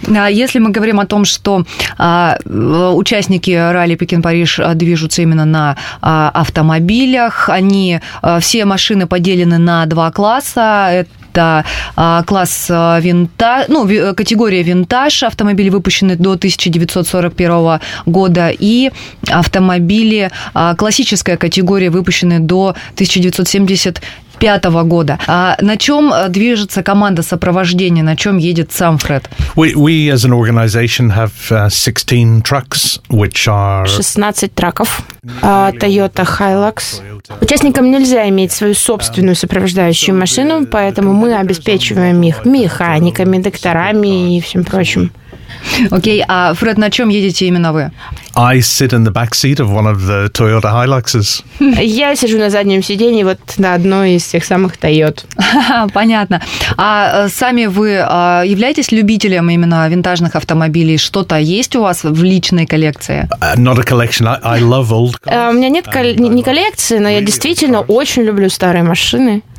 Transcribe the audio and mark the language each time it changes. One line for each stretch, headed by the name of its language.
Russian: Если мы говорим о том, что участники ралли Пекин-Париж движутся именно на автомобилях, они все машины поделены на 2 класса, это класс винтаж, ну, категория винтаж, автомобили выпущены до 1941 года, и автомобили классическая категория, выпущены до 1975 года. А на чем движется команда сопровождения, на чем едет сам Фред?
English: We as an organization have 16 trucks, which are
Russian: 16 траков Toyota Hilux. Участникам нельзя иметь свою собственную сопровождающую машину, поэтому мы обеспечиваем их механиками, докторами и всем прочим. Окей, а Фред, на чем едете именно вы?
English: I sit in the back seat of one of the Toyota Hiluxes.
Russian: Я сижу на заднем сиденье вот на одной из тех самых Toyot. Понятно. А сами вы являетесь любителем именно винтажных автомобилей? Что-то есть у вас в личной коллекции?
English: Not a collection. I love old cars.
Russian: У меня нет не коллекции, но я действительно очень люблю старые машины.